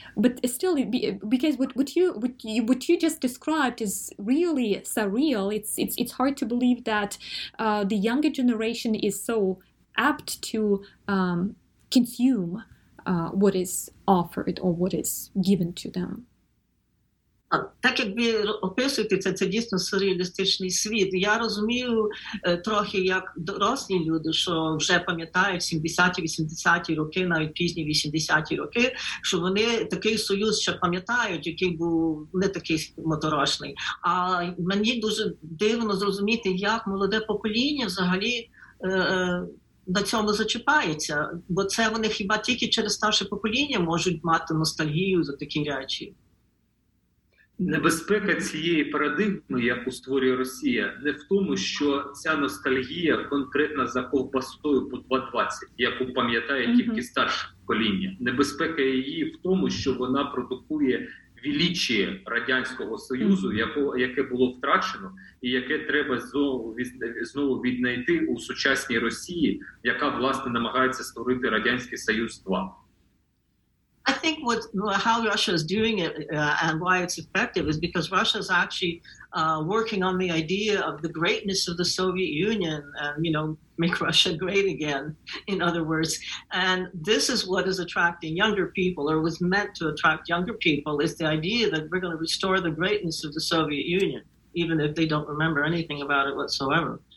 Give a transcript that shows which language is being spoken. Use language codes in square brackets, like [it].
[en] But still, because what you just described is really surreal. It's hard to believe that the younger generation is so apt to consume what is offered or what is given to them. [uk] Так якби описуєте, це дійсно сюрреалістичний світ. Я розумію трохи як дорослі люди, що вже пам'ятають 70-80-ті роки, навіть пізні 80-ті роки, що вони такий союз ще пам'ятають, який був не такий моторошний. А мені дуже дивно зрозуміти, як молоде покоління взагалі на цьому зачіпається, бо це вони хіба тільки через старше покоління можуть мати ностальгію за такі речі. Небезпека цієї парадигми, яку створює Росія, не в тому, що ця ностальгія конкретна за ковбасою по 2,20, яку пам'ятає тільки старше покоління. Небезпека її в тому, що вона продукує величіє Радянського Союзу, яке було втрачено, і яке треба знову віднайти у сучасній Росії, яка, власне, намагається створити Радянський Союз 2. [en] I think how Russia is doing it and why it's effective is because Russia is actually working on the idea of the greatness of the Soviet Union and, you know, make Russia great again, in other words. And this is what is attracting younger people, or was meant to attract younger people, is the idea that we're going to restore the greatness of the Soviet Union, even if they don't remember anything about it whatsoever.